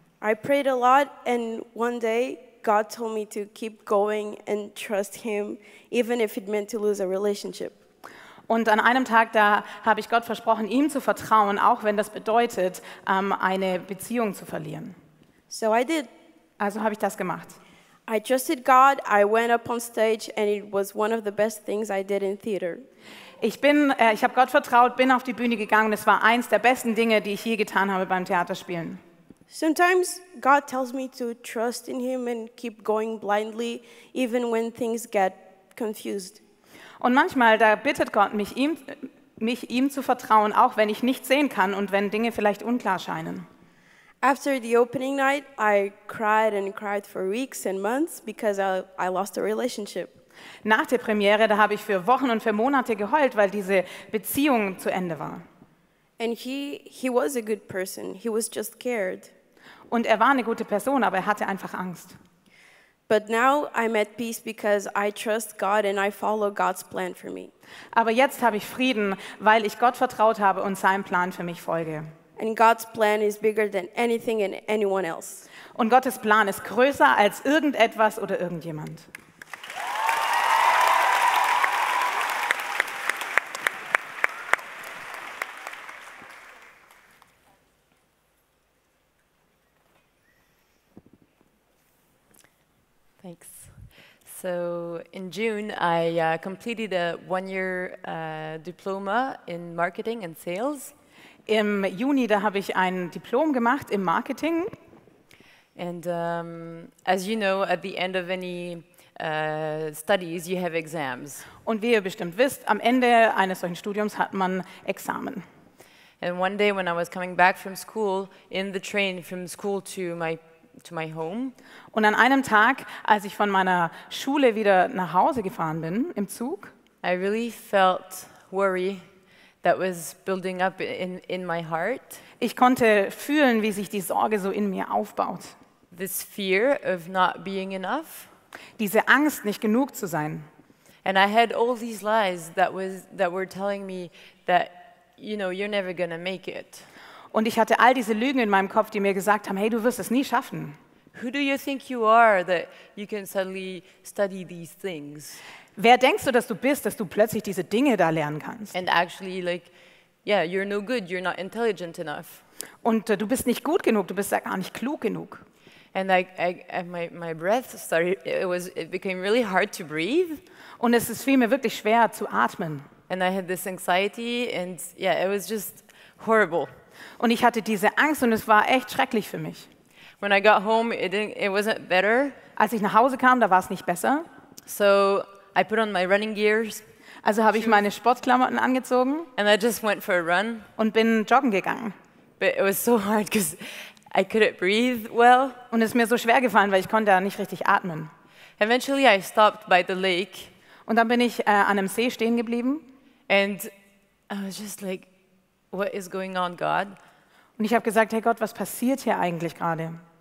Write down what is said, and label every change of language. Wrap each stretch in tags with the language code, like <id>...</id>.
<en>I prayed a lot and one day God told me to keep going and trust him even if it meant to lose a relationship.</en> <de>Und an einem Tag da habe ich Gott versprochen, ihm zu vertrauen, auch wenn das bedeutet, eine Beziehung zu verlieren.</de> <en>So I did.</en> <de>Also habe ich das gemacht.</de> <en>I trusted God, I went up on stage and it was one of the best things I did in theater.</en> <de>Ich habe Gott vertraut, bin auf die Bühne gegangen, es war eins der besten Dinge, die ich je getan habe beim Theaterspielen.</de> <en>Sometimes God tells me to trust in him and keep going blindly, even when things get confused.</en> <de>Und manchmal, da bittet Gott mich, ihm zu vertrauen, auch wenn ich nicht sehen kann und wenn Dinge vielleicht unklar scheinen.</de> <en>After the opening night, I cried and cried for weeks and months because I lost a relationship.</en> <de>Nach der Premiere, da habe ich für Wochen und für Monate geheult, weil diese Beziehung zu Ende war.</de> <en>And he was a good person. He was just scared.</en> <de>Und er war eine gute Person, aber er hatte einfach Angst.</de> <en>But now I'm at peace because I trust God and I follow God's plan for me.</en> <de>Aber jetzt habe ich Frieden, weil ich Gott vertraut habe und seinem Plan für mich folge.</de> <en>And God's plan is bigger than anything and anyone else.</en> <de>Und Gottes Plan ist größer als irgendetwas oder irgendjemand.</de> <en>Thanks. So in June, I completed a one-year diploma in marketing and sales.</en> <de>Im Juni, da habe ich ein Diplom gemacht im Marketing.</de> <en>And as you know, at the end of any studies, you have exams.</en> <de>Und wie ihr bestimmt wisst, am Ende eines solchen Studiums hat man Examen.</de> <en>And one day when I was coming back from school, in the train from school to my home.</en> <de>Und an einem Tag, als ich von meiner Schule wieder nach Hause gefahren bin, im Zug,</de> <en>I really felt worry that was building up in my heart.</en> <de>Ich konnte fühlen, wie sich die Sorge so in mir aufbaut.</de> <en>This fear of not being enough.</en> <de>Diese Angst, nicht genug zu sein.</de> <en>And I had all these lies that were telling me that, you know, you're never gonna make it.</en> <de>Und ich hatte all diese Lügen in meinem Kopf, die mir gesagt haben, hey, du wirst es nie schaffen.</de> <en>Who do you think you are that you can suddenly study these things?</en> <de>Wer denkst du, dass du bist, dass du plötzlich diese Dinge da lernen kannst?</de> <en>And actually, like, yeah, you're no good, you're not intelligent enough.</en> <de>Und du bist nicht gut genug, du bist ja gar nicht klug genug.</de> <en>And my breath started, it became really hard to breathe.</en> <de>Und es fiel mir wirklich schwer zu atmen.</de> <en>And I had this anxiety and yeah, it was just horrible.</en> <de>Und ich hatte diese Angst und es war echt schrecklich für mich.</de> <en>When I got home, it wasn't better.</en> <de>Als ich nach Hause kam, da war es nicht besser.</de> <en>So I put on my running gears.</en> <de>Also habe ich meine Sportklamotten angezogen.</de> <en>And I just went for a run.</en> <de>Und bin joggen gegangen.</de> <en>But it was so hard because I couldn't breathe well.</en> <de>Und es ist mir so schwer gefallen, weil ich konnte da nicht richtig atmen.</de> <en>Eventually I stopped by the lake.</en> <de>Und dann bin ich an einem See stehen geblieben.</de> <en>And I was just like, What is going on, God?</en> <de>Und ich habe gesagt, hey Gott, was passiert hier eigentlich gerade?</de>